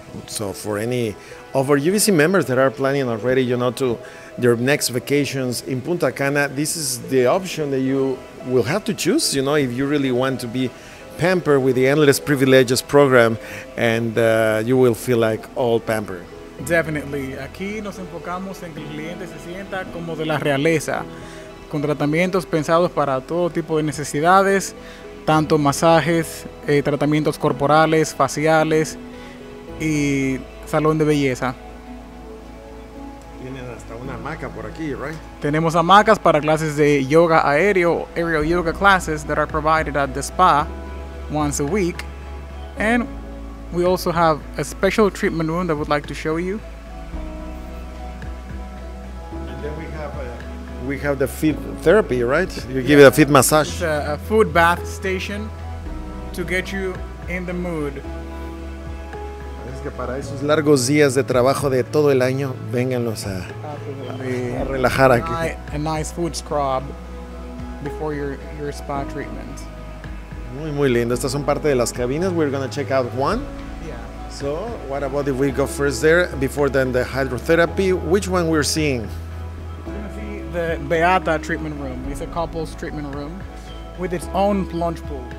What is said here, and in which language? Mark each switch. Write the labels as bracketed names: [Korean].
[English] So for any of our UVC members that are planning already, you know, to their next vacations in Punta Cana, this is the option that you will have to choose, you know, if you really want to be pampered with the Endless Privileges program, and you will feel like all pampered. Definitely. [Spanish] Aquí nos enfocamos en que el cliente se sienta como de la realeza, con tratamientos pensados para todo tipo de necesidades, tanto masajes, tratamientos corporales, faciales, y salón de belleza. Tienen hasta una hamaca por aquí, right? Tenemos hamacas para clases de yoga aéreo, [English] aerial yoga classes that are provided at the spa once a week. And we also have a special treatment room that we'd like to show you. And then we have the feet therapy, right? You give it a feet massage. It's a foot bath station to get you in the mood. [Spanish] Que para esos largos días de trabajo de todo el año, vénganlos a relajar aquí. [English] A nice food scrub before your spa treatment. [Spanish] Muy, muy lindo. Estas son parte de las cabinas. [English] We're going to check out one. Yeah. So, what about if we go first there, before then the hydrotherapy? Which one we're seeing? We're going to see the Beata treatment room. It's a couple's treatment room with its own plunge pool.